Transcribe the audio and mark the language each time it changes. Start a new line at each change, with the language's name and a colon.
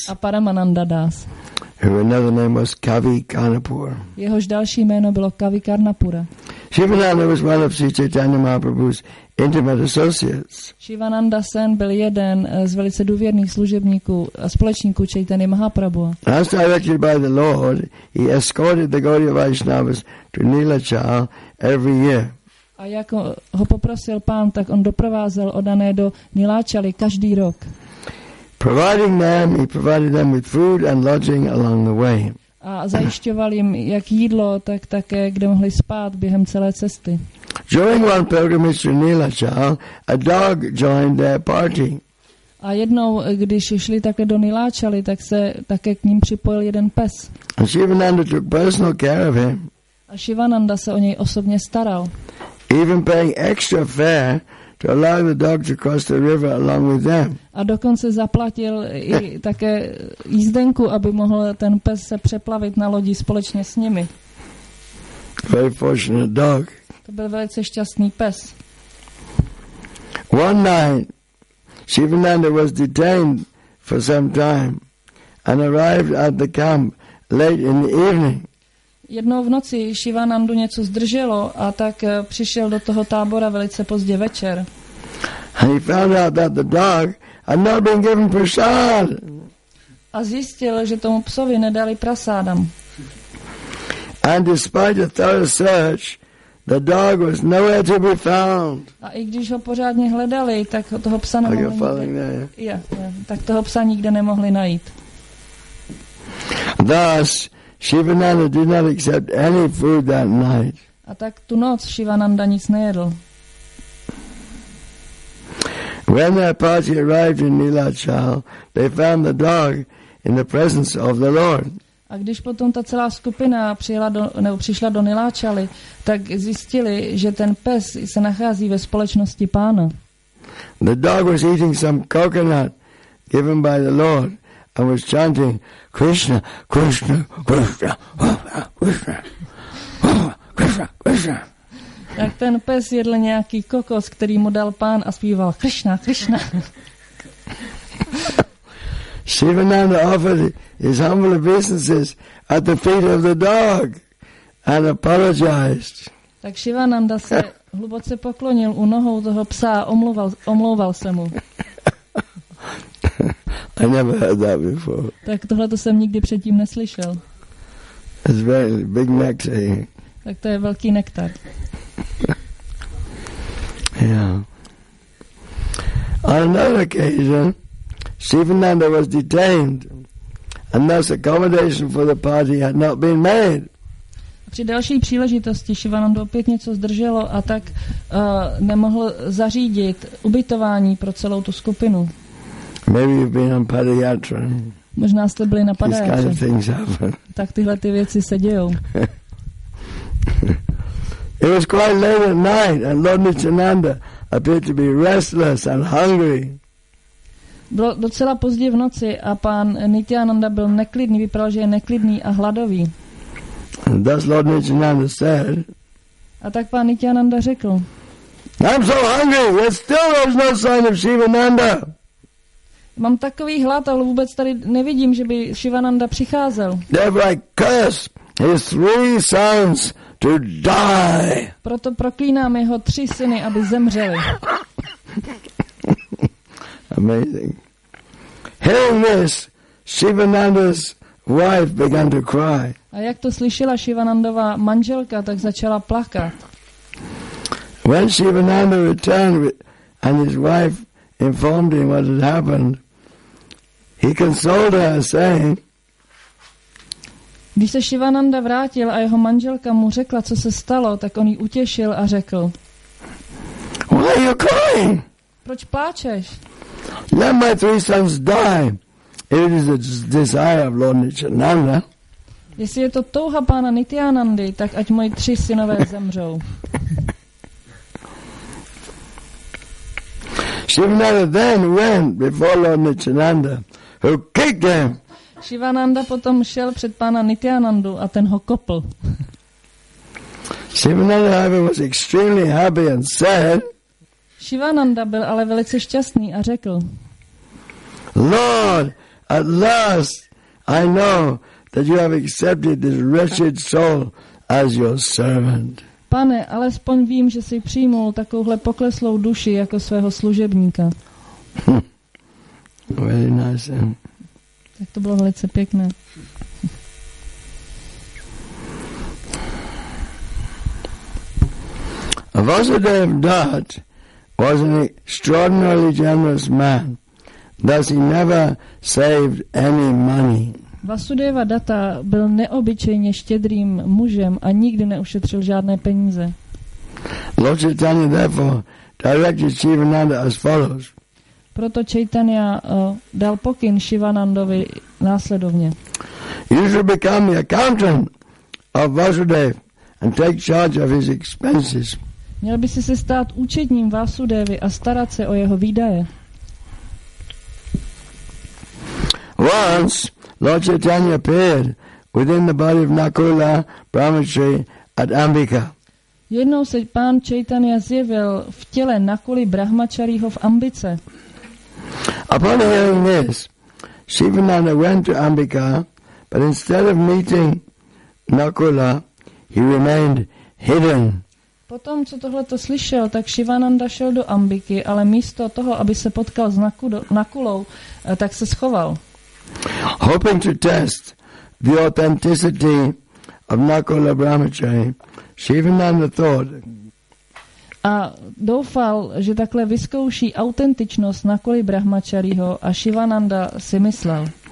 English: A Paramananda Das. Her another name was Kavi Karnapura.
Czech: Jehož další jméno bylo Kavi Karnapura.
English: Shivananda was one of Sri Chaitanya Mahaprabhu's intimate associates.
Czech: Shivananda Sen byl jeden z velice důvěrných služebníků a společníků Chaitanya Mahaprabhu.
English: As directed by the Lord, he escorted the Gaudiya Vaishnavas to Neelachal every year.
Czech: A jak ho poprosil pán, tak on doprovázel oddané do Neelachali každý rok.
English: Providing them, he provided them with food and lodging along the way.
Czech: A zajišťoval jim jak jídlo, tak také kde mohli spát během celé cesty.
English: During one pilgrimage to Neelachal, a dog joined their party.
Czech: A jednou, když šli také do Neelachali, tak se také k ním připojil jeden pes.
English: And Shivananda took personal care of him.
Czech: A Shivananda se o něj osobně staral.
English: Even paying extra fare to allow the dog to cross the river along with them.
Czech: A dokonce zaplatil i také jízdenku, aby mohl ten pes se přeplavit na lodi společně s nimi.
English: Very fortunate dog.
Czech: To byl velice šťastný pes.
English: One night, Shivananda was detained for some time and arrived at the camp late in the evening.
Czech: Jednou v noci Shivanandu něco zdrželo a tak přišel do toho tábora velice pozdě večer.
English: And he found out that the dog had not been given prasad.
Czech: A zjistil, že tomu psovi nedali prasádam.
English: And despite a thorough search, the dog was nowhere to be found.
Czech: A i když ho pořádně hledali, tak toho psa nemohli tak toho psa nikde nemohli najít.
English: Thus, Shivananda did not accept any food that night.
Czech: A tak tu noc Shivananda nic nejedl.
English: When their party arrived in Nilachal, they found the dog in the presence of the Lord.
Czech: A když potom ta celá skupina přišla do Niláčaly, tak zjistili, že ten pes se nachází ve společnosti pána.
English: The dog was eating some coconut given by the Lord and was chanting Krishna, Krishna, Krishna, Krishna, Krishna, Krishna.
Czech: Tak ten pes jedl nějaký kokos, který mu dal pán a zpíval Krishna, Krishna.
English: Shivananda offered his humble obeisances at the feet of the dog and apologized.
Czech: Tak Shivananda se hluboce poklonil u nohou toho psa a omlouval se mu.
English: I never heard that before.
Czech: Tak tohle to jsem nikdy předtím neslyšel.
English: It's very big nectar.
Czech: Tak to je velký nektar.
English: Yeah. On another occasion, Shivananda was detained, and thus accommodation for the party had not been made.
Czech: Při další příležitosti Shivananda opět něco zdrželo a tak nemohl zařídit ubytování pro celou tu skupinu.
English: Maybe you've been on padayatra.
Czech: Možná jste byli na padayatře.
English: These kind of things happen.
Czech: Tak tyhle ty věci se dějou.
English: It was quite late at night, and Lord Nityananda appeared to be restless and hungry.
Czech: Bylo docela pozdě v noci a pán Nityananda byl neklidný, vypadal, že je neklidný a hladový.
English: And thus Lord Nityananda said,
Czech: a tak pán Nityananda řekl,
English: I'm so hungry, yet still there's no sign of Shivananda.
Czech: Mám takový hlad, ale vůbec tady nevidím, že by Shivananda přicházel.
English: Therefore I curse his three sons to die.
Czech: Proto proklínám jeho tři syny, aby zemřeli.
English: Amazing. Hearing this, Shivananda's wife began to cry.
Czech: A jak to slyšela Shivanandova manželka, tak začala plakat.
English: When Shivananda returned and his wife informed him what had happened, he consoled her, saying,
Czech: když se Shivananda vrátil a jeho manželka mu řekla, co se stalo, tak on ji utěšil a řekl,
English: why are you crying?
Czech: Proč pláčeš?
English: Let my three sons die. If it is the desire of Lord Nityananda.
Czech: Jestli je to touha pána Nityanandy, tak ať moji tři synové zemřou.
English: Shivananda then went before Lord Nityananda, who kicked him.
Czech: Shivananda potom šel před pána Nityanandu a ten ho kopl.
English: Shivananda was extremely happy and said,
Czech: Shivananda byl ale velice šťastný a řekl,
English: Lord, at last I know that you have accepted this wretched soul as your servant.
Czech: Pane, alespoň vím, že jsi přijmul takovouhle pokleslou duši jako svého služebníka.
English: Very nice.
Czech: Tak to bylo velice pěkné.
English: Vasudev Dutt was an extraordinarily generous man, thus he never saved any money.
Czech: Vasudeva Datta byl neobyčejně štědrým mužem a nikdy neušetřil žádné peníze.
English: Lord Chaitanya therefore directed Shivananda as follows.
Czech: Proto Chaitanya dal pokyn Shivanandovi následovně.
English: You should become the accountant of Vasudev and take charge of his expenses.
Czech: Měl by si se stát účetním Vasudevy a starat se o jeho výdaje.
English: Once Lord Chaitanya appeared within the body of Nakula Brahmachari at Ambika.
Czech: Jednou se pán Chaitanya zjevil v těle Nakuli Brahmacharího v Ambice.
English: Upon hearing this, Sivananda went to Ambika, but instead of meeting Nakula, he remained hidden.
Czech: Potom, co tohleto slyšel, tak Sivananda šel do Ambiky, ale místo toho, aby se potkal s Nakulou, tak se schoval.
English: Hoping to test the authenticity of Nakula Brahmachari, Sivananda thought.
Czech: A doufal, že takhle vyzkouší autentičnost Nakuli Brahmacharího, a Sivananda si myslel.